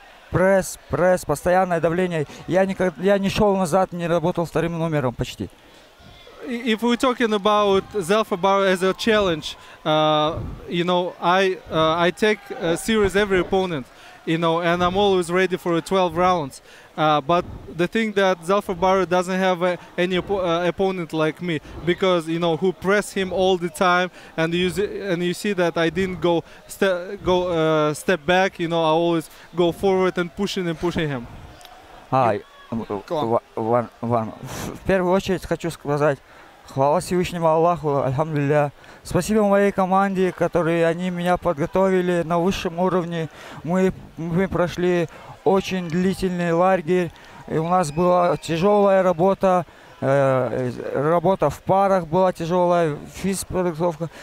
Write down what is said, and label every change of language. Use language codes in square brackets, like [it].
[ru] Пресс, постоянное давление. Я не шел назад, не работал вторым номером почти. [en] If we're talking about Zelfa Barrett as a challenge, I take serious every opponent, and I'm always ready for 12 rounds. But the thing that Zelfa Barrett doesn't have any opponent like me, because who press him all the time, and you see that I didn't go step back. I always go forward and pushing him. Hi. [ru] В первую очередь хочу сказать хвала Всевышнему Аллаху, альхамдулилля. Спасибо моей команде, которые они меня подготовили на высшем уровне. Мы прошли очень длительный лагерь, и у нас была тяжелая работа, работа в парах была тяжелая, физподготовка.